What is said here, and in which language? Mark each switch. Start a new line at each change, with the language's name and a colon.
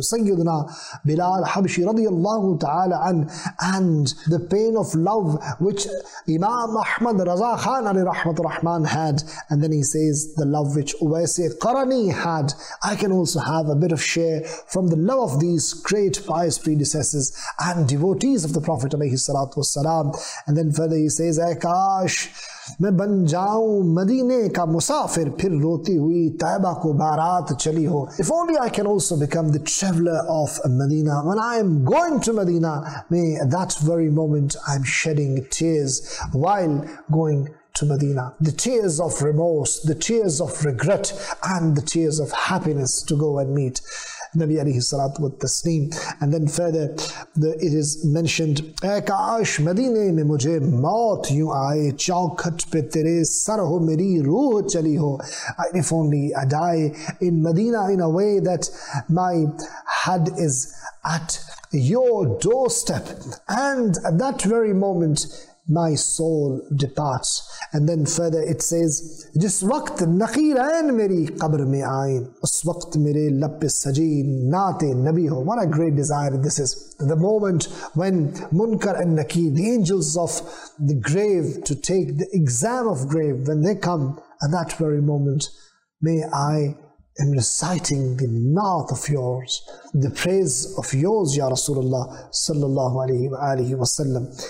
English: Sayyidina Bilal Habshi radiallahu ta'ala and the pain of love which Imam Ahmad Raza Khan alayhi rahmat rahman had. And then he says, the love which Ubay se Qarani had, I can also have a bit of share from the love of these great pious predecessors and devotees of the Prophet. And then further he says,
Urdu: اے کاش میں بن جاؤں مدینے کا مسافر پھر روتی ہوئی طیبہ کو بارات چلی ہو.
English: If only I can also become the traveler of Medina. When I am going to Medina, may that very moment I'm shedding tears while going to Medina. The tears of remorse, the tears of regret, and the tears of happiness to go and meet Nabi alayhi salatu wa taslim. And then further, it is mentioned,
Urdu: اے کاش مدینے میں مجھے موت یوں آئے چوکھٹ پہ تیرے سر ہو میری روح چلی ہو.
English: If only I die in Medina in a way that my head is at your doorstep, and at that very moment my soul departs. And then further it says,
Urdu: جس وقت نخیرین میری قبر میں آئیں اس وقت میرے لب پہ سجی نعت نبی ہو.
English: What a great desire this is. The moment when Munkar and Nakir, the angels of the grave to take the exam of grave, when they come at that very moment, may I am reciting the mouth of yours, the praise of yours, Ya Rasulullah sallallahu alayhi wa alihi wa sallam.